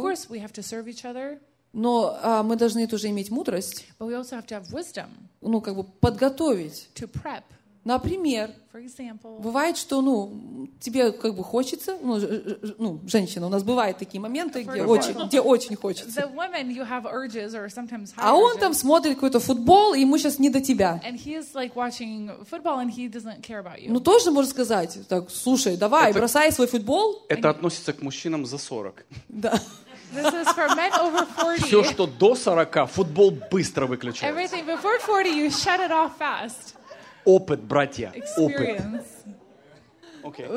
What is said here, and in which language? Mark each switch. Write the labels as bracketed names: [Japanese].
[English] Of course, we have to serve each other. [Russian] Но мы должны тоже иметь мудрость. [English] But we also have to have wisdom. [Russian] Ну, как бы подготовить. [English] To prep. [Russian] Например, [English] for example, [Russian] бывает, что, ну, тебе как бы хочется, ну, женщина, у нас бывают такие моменты, где, example, очень, где очень хочется. [English] The women, you have urges or sometimes high [Russian] urges. А он там смотрит какой-то футбол, и ему сейчас не до тебя. [English] And he is like watching football and he doesn't care about you. [Russian] Ну, тоже можно сказать, так, слушай, давай, это, бросай свой футбол. Это относится к мужчинам за 40. Да. [English] This is for men over 40. [Russian] Все, что до 40, футбол быстро выключается. [English] Everything before 40, you shut it off fast. [Russian] Опыт, братья, опыт. Okay.